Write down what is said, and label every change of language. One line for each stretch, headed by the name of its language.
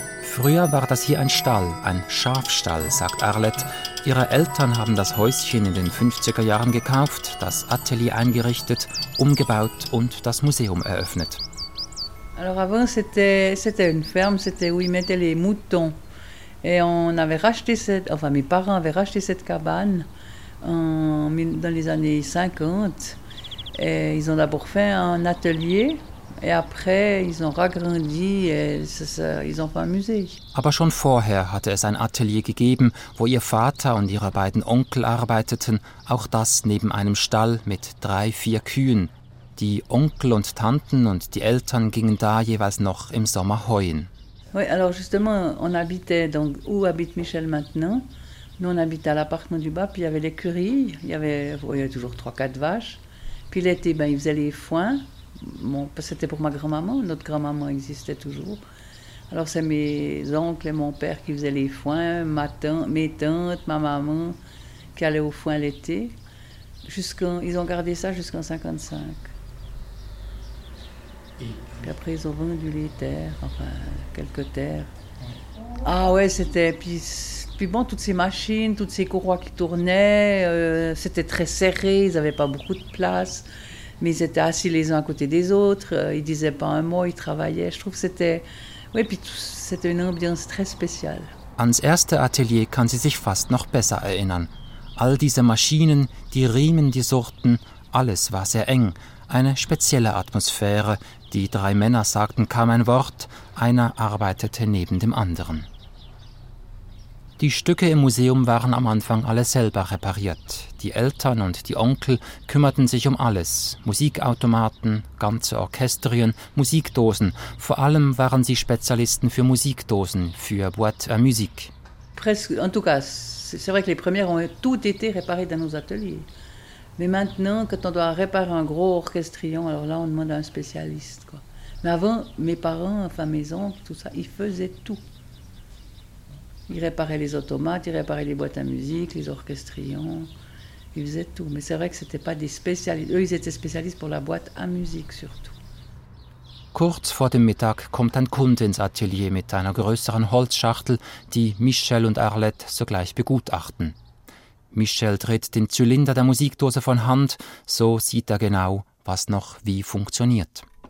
German: Früher war das hier ein Stall, ein Schafstall, sagt Arlet. Ihre Eltern haben das Häuschen in den 50er Jahren gekauft, das Atelier eingerichtet, umgebaut und das Museum eröffnet.
French: Alors avant c'était une ferme, c'était où ils mettaient les moutons. Et on avait racheté cette, enfin mes parents avaient racheté cette cabane dans les années 50. Et ils ont d'abord fait un atelier. Et après, ils ont ragrandi et ils ont fait un musée. Aber schon vorher hatte es ein Atelier gegeben, wo ihr Vater und ihre beiden Onkel arbeiteten, auch das neben einem Stall mit 3-4 Kühen. Die Onkel und Tanten und die Eltern gingen da jeweils noch im Sommer heuen. Oui, alors justement, on habitait, donc où habite Michel maintenant? Nous, on habitait à l'appartement du bas, puis il y avait l'écurie, il y avait toujours 3-4 vaches. Puis l'été, ben, ils faisaient les foins. Bon, c'était pour ma grand-maman, notre grand-maman existait toujours. Alors c'est mes oncles et mon père qui faisaient les foins, mes tantes, ma maman qui allaient au foin l'été. Ils ont gardé ça jusqu'en 55. Puis après ils ont vendu les terres, enfin quelques terres. Ah ouais, c'était... Puis bon, toutes ces machines, toutes ces courroies qui tournaient, c'était très serré, ils n'avaient pas beaucoup de place. Mais ils étaient assis les uns à côté des autres, ils disaient pas un mot, ils travaillaient. Je trouve que c'était, oui, puis tout, c'était une ambiance très spéciale.
German: Ans erste Atelier kann sie sich fast noch besser erinnern. All diese Maschinen, die Riemen, die Sorten, alles war sehr eng. Eine spezielle Atmosphäre. Die drei Männer sagten kaum ein Wort. Einer arbeitete neben dem anderen. Die Stücke im Museum waren am Anfang alle selber repariert. Die Eltern und die Onkel kümmerten sich um alles. Musikautomaten, ganze Orchestrien, Musikdosen. Vor allem waren sie Spezialisten für Musikdosen, für Boîte à Musique.
French: Presque, en tout cas, c'est vrai que les premières ont tout été réparées dans nos ateliers. Mais maintenant, quand on doit réparer un gros orchestrion, alors là, on demande à un spécialiste, quoi. Mais avant, mes parents, enfin mes oncles, tout ça, ils faisaient tout. Ils réparaient les automates, ils réparaient les boîtes à musique, les orchestrions, ils faisaient tout. Mais c'est vrai que c'était pas des spécialistes. Eux, ils étaient spécialistes pour la boîte à musique surtout.
German: Kurz vor dem Mittag kommt ein Kunde ins Atelier mit einer größeren Holzschachtel, die Michel und Arlette sogleich begutachten. Michel dreht den Zylinder der Musikdose von Hand, so sieht er genau, was noch wie funktioniert.